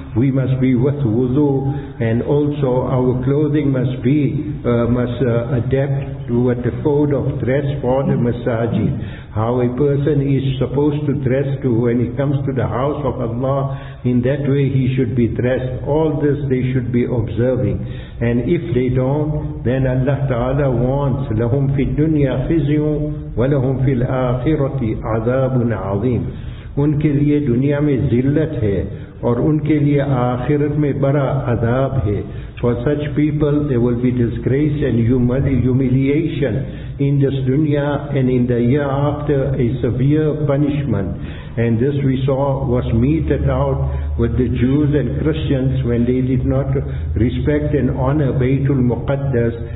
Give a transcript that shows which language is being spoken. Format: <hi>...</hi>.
<en>We must be with wudu, and also our clothing must be adapt to what the code of dress for the masajid. How a person is supposed to dress to when he comes to the house of Allah, in that way he should be dressed. All this they should be observing. And if they don't, then Allah Ta'ala wants,</en> <ar>لَهُمْ فِي الدُّنْيَا خِزْيٌ وَلَهُمْ فِي الْآخِرَةِ عَذَابٌ عَظِيمٌ.</ar> <ur>ان کے لئے دنیا میں ذلت ہے اور ان کے لئے آخرت میں برا عذاب ہے.</ur> <en>For such people there will be disgrace and humiliation in this dunya, and in the year after a severe punishment. And this we saw was meted out with the Jews and Christians when they did not respect and honor Baytul Muqaddas.</en>